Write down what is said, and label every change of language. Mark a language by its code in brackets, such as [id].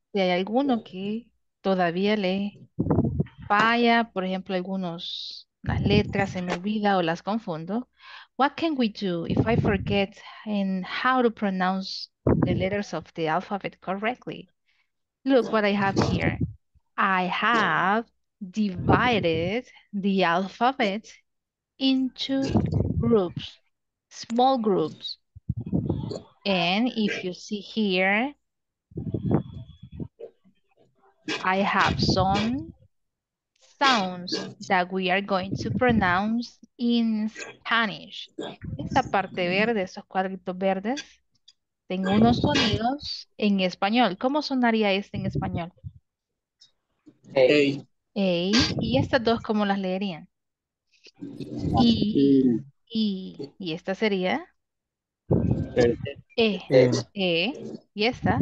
[es] Si hay alguno que todavía le falla, por ejemplo, las letras se me olvida o las confundo. [en] What can we do if I forget and how to pronounce the letters of the alphabet correctly? Look what I have here. I have divided the alphabet into groups, small groups. And if you see here, I have some sounds that we are going to pronounce in Spanish. [es] Esta parte verde, esos cuadritos verdes, tengo unos sonidos en español. ¿Cómo sonaría este en español? Hey. Hey. ¿Y estas dos cómo las leerían? Y. Y. ¿Y esta sería? E. E. ¿Y esta?